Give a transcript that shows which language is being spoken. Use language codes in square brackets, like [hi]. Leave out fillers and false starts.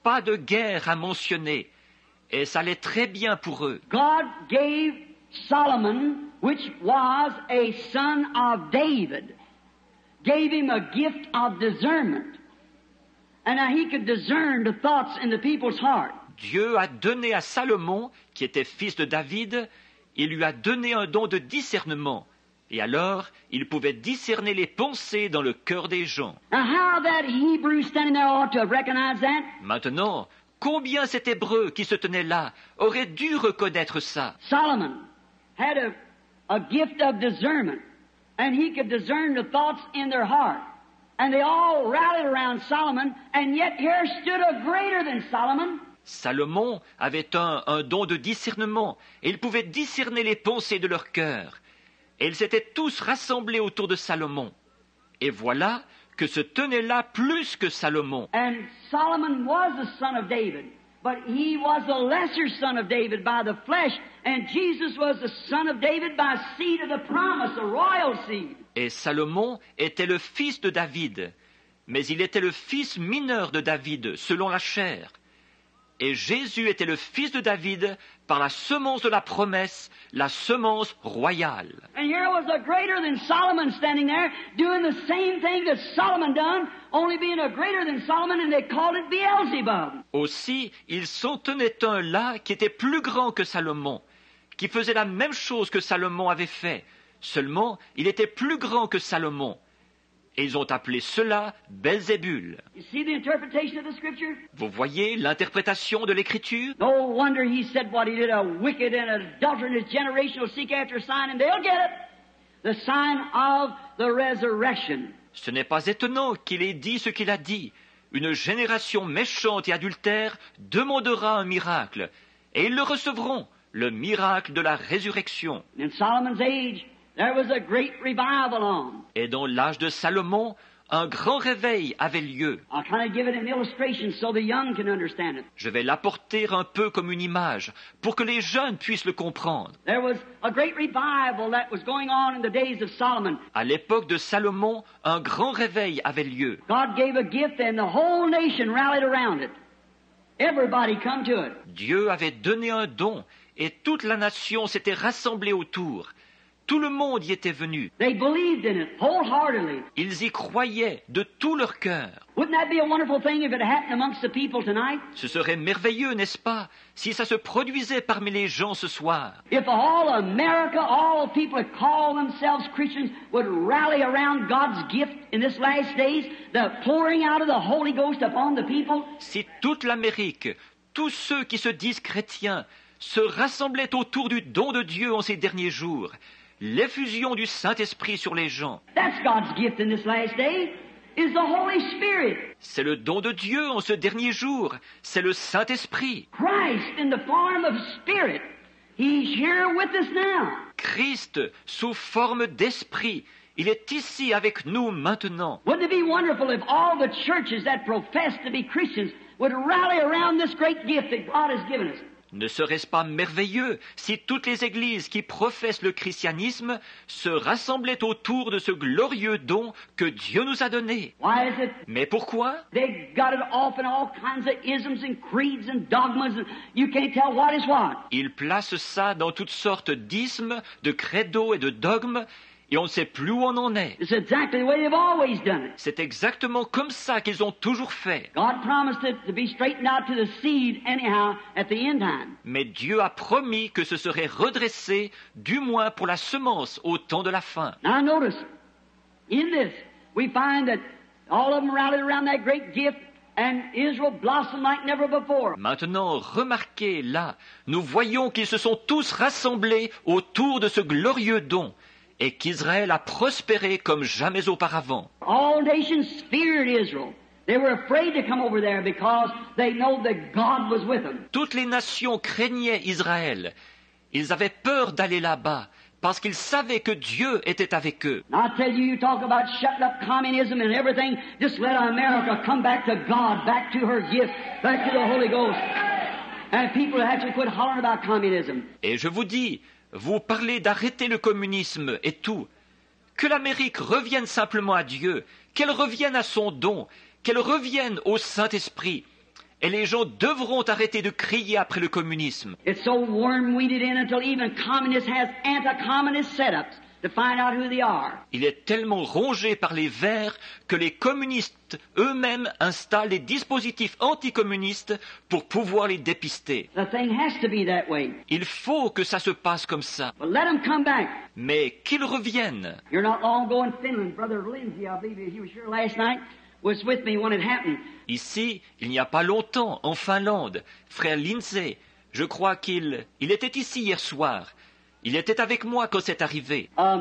[fr] Pas de guerre à mentionner. Et ça allait très bien pour eux. [en] God gave Solomon, which was a son of David, gave him a gift of discernment. And now he could discern the thoughts in the people's heart. [fr] Dieu a donné à Salomon, qui était fils de David, il lui a donné un don de discernement. Et alors, il pouvait discerner les pensées dans le cœur des gens. [en] Now how that Hebrew standing there ought to have recognized that? [fr] Maintenant, combien cet Hébreu qui se tenait là aurait dû reconnaître ça? [en] Solomon had a gift of discernment, and he could discern the thoughts in their heart. And they all rallied around Solomon, and yet here stood a greater than Solomon. [fr] Salomon avait un don de discernement, et il pouvait discerner les pensées de leur cœur. Et ils s'étaient tous rassemblés autour de Salomon. Et voilà que se tenait là plus que Salomon. [en] And Solomon was the son of David, but he was the lesser son of David by the flesh, and Jesus was the son of David by seed of the promise, the royal seed. [fr] Et Salomon était le fils de David, mais il était le fils mineur de David selon la chair. Et Jésus était le fils de David par la semence de la promesse, la semence royale. [en] And here was a greater than Solomon standing there doing the same thing that Solomon done, only being a greater than Solomon, and they called it Beelzebub. [fr] Aussi, il s'en tenait un là qui était plus grand que Salomon, qui faisait la même chose que Salomon avait fait. Seulement, il était plus grand que Salomon. Et ils ont appelé cela Belzébul. [en] You see the interpretation of the scripture? [fr] Vous voyez l'interprétation de l'Écriture? [en] No wonder he said what he did, a wicked and adulterous generation will seek after a sign, and they'll get it, the sign of the resurrection. [fr] Ce n'est pas étonnant qu'il ait dit ce qu'il a dit. Une génération méchante et adultère demandera un miracle, et ils le recevront, le miracle de la résurrection. [en] In Solomon's age, there was a great revival on. [fr] Et dans l'âge de Salomon, un grand réveil avait lieu. [en] I'll kind of give it an illustration so the young can understand it. [fr] Je vais l'apporter un peu comme une image pour que les jeunes puissent le comprendre. [en] There was a great revival that was going on in the days of Solomon. À l'époque de Salomon, un grand réveil avait lieu. God gave a gift and the whole nation rallied around it. Everybody come to it. [fr] Dieu avait donné un don et toute la nation s'était rassemblée autour. Tout le monde y était venu. [en] They believed in it wholeheartedly. [fr] Ils y croyaient de tout leur cœur. [en] Wouldn't that be a wonderful thing if it happened amongst the people tonight? [fr] Ce serait merveilleux, n'est-ce pas, si ça se produisait parmi les gens ce soir. [en] If all America, all people that call themselves Christians would rally around God's gift in this last days, the pouring out of the Holy Ghost upon the people. [fr] Si toute l'Amérique, tous ceux qui se disent chrétiens, se rassemblaient autour du don de Dieu en ces derniers jours, l'effusion du Saint-Esprit sur les gens. [en] That's God's gift in this last day, is the Holy Spirit. [fr] C'est le don de Dieu en ce dernier jour, c'est le Saint-Esprit. [en] Christ in the form of spirit, he's here with us now. [fr] Christ sous forme d'esprit, il est ici avec nous maintenant. [en] Wouldn't it be wonderful if all the churches that profess to be Christians would rally around this great gift that God has given us? [fr] Ne serait-ce pas merveilleux si toutes les églises qui professent le christianisme se rassemblaient autour de ce glorieux don que Dieu nous a donné? [en] Why is it? [fr] Mais pourquoi? [en] They got it off in all kinds of isms and creeds and dogmas. You can't tell what is what. [fr] Ils placent ça dans toutes sortes d'ismes, de credos et de dogmes, et on ne sait plus où on en est. [en] It's exactly the way they've always done it. [fr] C'est exactement comme ça qu'ils ont toujours fait. [en] God promised it to be straightened out to the seed anyhow at the end time. [fr] Mais Dieu a promis que ce serait redressé, du moins pour la semence, au temps de la fin. [en] Now notice, in this, we find that all of them rallied around that great gift, and Israel blossomed like never before. [fr] Maintenant, remarquez là, nous voyons qu'ils se sont tous rassemblés autour de ce glorieux don, et qu'Israël a prospéré comme jamais auparavant. [en] All nations feared Israel. They were afraid to come over there because they know that God was with them. [fr] Toutes les nations craignaient Israël. Ils avaient peur d'aller là-bas parce qu'ils savaient que Dieu était avec eux. [en] I tell you, you talk about shutting up communism and everything. Just let America come back to God, back to her gift, back to the Holy Ghost. And people have to quit hollering about communism. [fr] Et je vous dis, vous parlez d'arrêter le communisme et tout. Que l'Amérique revienne simplement à Dieu, qu'elle revienne à son don, qu'elle revienne au Saint-Esprit, Et les gens devront arrêter de crier après le communisme. [en] It's so worm-weeded in until even communists have anti-communist setups to find out who they are. [fr] Il est tellement rongé par les vers que les communistes eux-mêmes installent des dispositifs anticommunistes pour pouvoir les dépister. [en] The thing has to be that way. [fr] Il faut que ça se passe comme ça. [en] But let them come back. [fr] Mais qu'ils reviennent. [en] You're not long ago in Finland, Brother Lindsay, I believe he was here last night. Was with me when it happened. [fr] Ici, il n'y a pas longtemps, en Finlande, frère Lindsay, je crois qu'il était ici hier soir. Il était avec moi quand c'est arrivé.